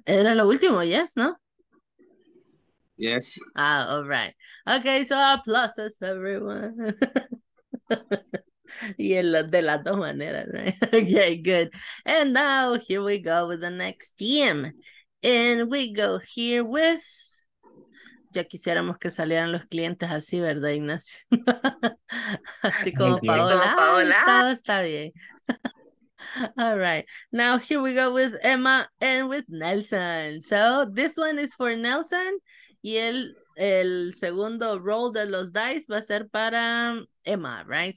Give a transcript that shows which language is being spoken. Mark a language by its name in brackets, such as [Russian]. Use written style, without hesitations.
[Spanish] Era lo último, [English] yes, [Spanish] no? [English] Yes. Ah, all right. Okay, so applauses, everyone. [Spanish] Y el de las dos maneras, right? [English] Okay, good. And now here we go with the next team. And we go here with... [Spanish] Ya quisiéramos que salieran los clientes así, ¿verdad, Ignacio? Así como Paola. Todo está bien. [English] All right. Now here we go with Emma and with Nelson. So this one is for Nelson. [Spanish] Y el segundo roll de los dice va a ser para Emma, right?